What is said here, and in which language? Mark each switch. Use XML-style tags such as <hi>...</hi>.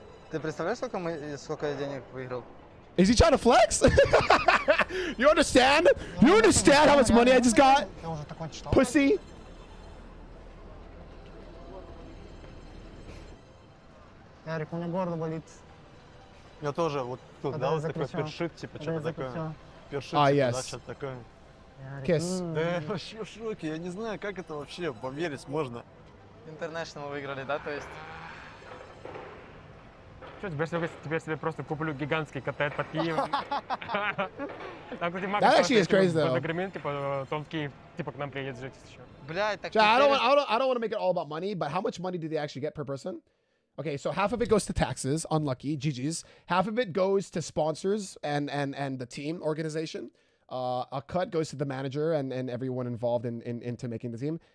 <ru>Ты представляешь, сколько мы сколько денег выиграл?</ru> <en>Is he trying to flex? You understand? You understand how much money I just got? Pussy.</en> <ru>Ярик, у меня горло болит. Я тоже вот тут, да, вот такой першит, типа, что-то такое. Першит, типа, да, что-то такое. Кис. Да я вообще в шоке, я не знаю, как это вообще померить можно. Интернешнл выиграли, да, то есть? Что, теперь себе просто куплю гигантский коттед под Киевом. Так, кстати, Макс,</ru> <en>that actually is crazy, though.</en> <ru>На Гремин, типа, Том Киев, типа, к нам приедет жить еще. Блядь, так...</ru> <en>I don't want to make it all about money, but how much money did they actually get per person? Okay, so half of it goes to taxes, unlucky, GG's. Half of it goes to sponsors and the team organization. A cut goes to the manager and everyone involved into making the team.</en>